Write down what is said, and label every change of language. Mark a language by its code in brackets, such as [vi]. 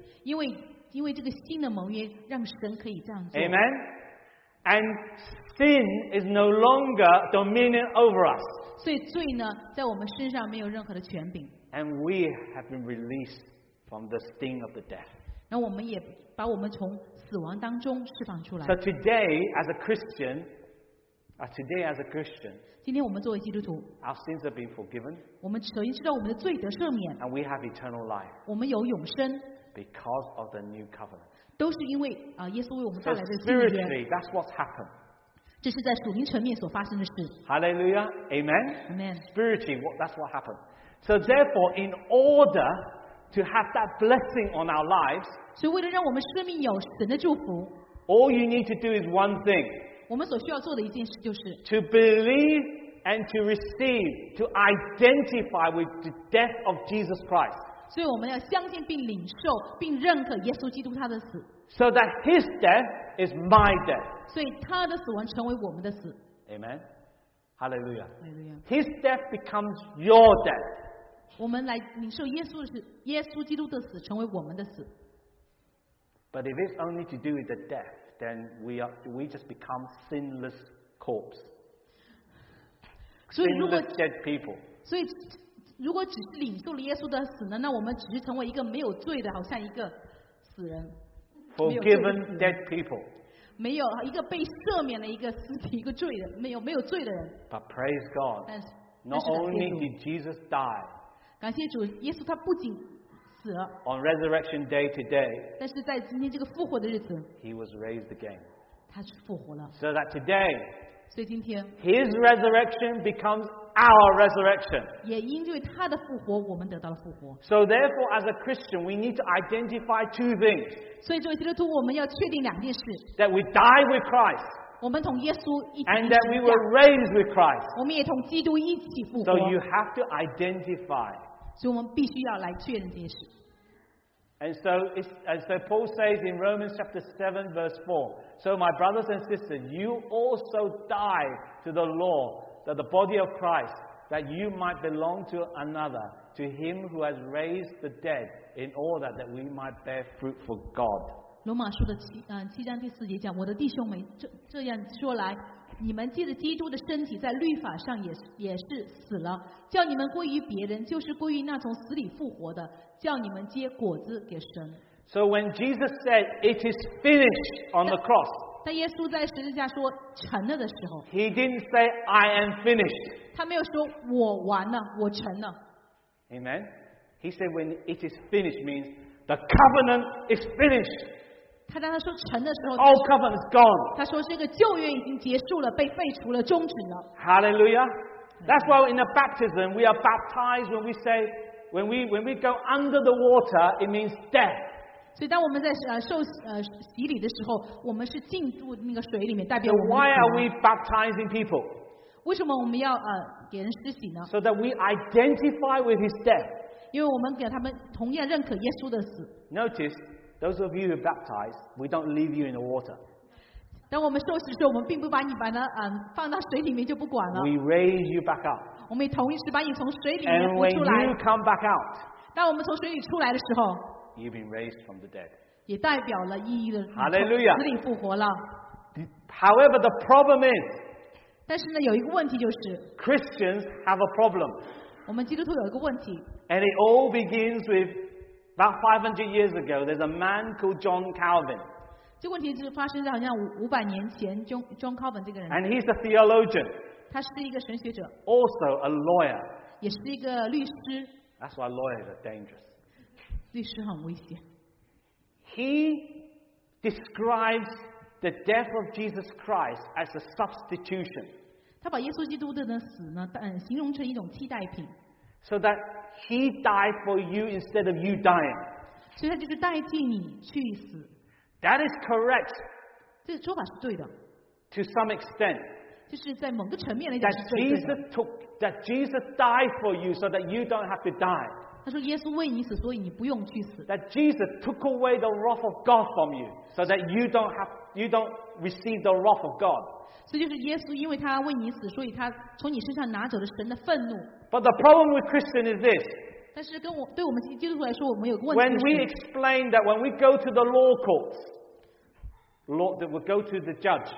[zh] 因为这个新的盟约让神可以这样做。 [en] Amen. And sin is no longer dominion over us， [zh] 所以罪呢，在我们身上没有任何的权柄。 [en] And we have been released. From the sting of the death. [zh] 那我们也把我们从死亡当中释放出来。 [en] So today, as a Christian, today as a Christian, [zh] 今天我们作为基督徒 [en] ，our sins have been forgiven. [zh] 我们首先知道我们的罪得赦免 [en] ，and we have eternal life. [zh] 我们有永生 [en] ，because of the new covenant. [zh] 都是因为耶稣为我们带来的新约。 [en] So spiritually, that's what's happened. [zh] 这是在属灵层面所发生的事。 [en] Hallelujah, Amen. Amen. Spiritually, that's what happened. So therefore, in order to have that blessing on our lives, [zh] 所以为了让我们生命有神的祝福， [en] all you need to do is one thing. [zh] 我们所需要做的一件事就是 [en] to believe and to receive, to identify with the death of Jesus Christ. [zh] 所以我们要相信并领受并认可耶稣基督他的死， [en] so that his death is my death. [zh] 所以他的死亡成为我们的死。 [en] Amen. Hallelujah. Hallelujah. His death becomes your death. [zh] 我们来领受耶稣基督的死成为我们的死。 [en] But if it's only to do with the death, then we just become sinless corpse. Sinless dead people. [zh] 所以如果只是领受了耶稣的死呢，那我们只是成为一个没有罪的，好像一个死人。 [en] Forgiven dead people. [zh] 没有一个被赦免的一个尸体，一个罪的，没有罪的人。 [en] But praise God. Not only did Jesus die. [zh] 感谢主，耶稣他不仅死了 [en] ，On Resurrection Day today， [zh] 但是在今天这个复活的日子 [en] ，He was raised again， [zh] 他是复活了。 [en] So that today， [zh] 所以今天 [en] ，His resurrection becomes our resurrection， [zh] 也因为他的复活，我们得到了复活。 [en] So therefore, as a Christian, we need to identify two things。 [zh] 所以作为基督徒，我们要确定两件事 [en] ：That we die with Christ。 [zh] 我们同耶稣一起死 [en] ，and that we were raised with Christ. [zh] 我们也同基督一起复活。 [en] So you have to identify. [zh] 所以我们必须要来确认这件事。 [en] And so Paul says in Romans chapter 7 verse 4. So my brothers and sisters, you also died to the law, to the body of Christ, that you might belong to another, to him who has raised the dead, in order that we might bear fruit for God. [zh] 罗马书的 七章第四节讲，我的弟兄们，这样说来，你们借着基督的身体在律法上 也是死了，叫你们归于别人，就是归于那从死里复活的，叫你们结果子给神。 [en] So when Jesus said it is finished on the cross, [zh] 当耶稣在十字架说成了的时候， [en] He didn't say I am finished. [zh] 他没有说我完了，我成了。 [en] Amen. He said when it is finished means the covenant is finished. [zh] 他当他说成的时候 [en] ，All covenant is gone. [zh] 他说这个旧约已经结束了，被废除了，终止了。 [en] Hallelujah. That's why in a baptism we are baptized when we say when we go under the water it means death. [zh] 所以当我们在受洗礼的时候，我们是进入那个水里面，代表我们。 [en] So why are we baptizing people? [zh] 为什么我们要给人施洗呢 [en] ？So that we identify with his death. [zh] 因为我们给他们同样认可耶稣的死。 [en] Notice those of you who baptize, we don't leave you in the water. [zh] 当我们受洗的时候，我们并不把你放到水里面就不管了。 [en] We raise you back up. [zh] 我们同时把你从水里面扶出来。 [en] And when you come back out, [zh] 当我们从水里出来的时候。 [en] You've been raised from the dead. [zh] 也代表了意义的 [en] ，Hallelujah. [zh] 从死里复活了。 [en] However, the problem is. [zh] 但是呢，有一个问题就是。 [en] Christians have a problem. [zh] 我们基督徒有一个问题。 [en] And it all begins with about 500 years ago. There's a man called John Calvin. [zh] 这个问题是发生在好像500年前 ，John Calvin 这个人。 [en] And he's a theologian. [zh] 他是一个神学者。 [en] Also a lawyer. [zh] 也是一个律师。 [en] That's why lawyers are dangerous. [zh] 律师很危险。 [en] He describes the death of Jesus Christ as a substitution. [zh] 他把耶稣基督的死呢，形容成一种替代品。 [en] So that he died for you instead of you dying. [zh] 所以他就是代替你去死。 [en] That is correct. [zh] 这个说法是对的。 [en] To some extent. [zh] 就是在某个层面来讲是对的。 [en] That Jesus died for you so that you don't have to die. [zh] 他说耶稣为你死，所以你不用去死。 [en] That Jesus took away the wrath of God from you, so that you don't receive the wrath of God. [zh] 所以就是耶稣因为他为你死，所以他从你身上拿走了神的愤怒。 [en] But the problem with Christian is this. [zh] 但是对我们基督徒来说，我们有个问题。 [en] When we explain that when we go to the law courts, law that we go to the judge.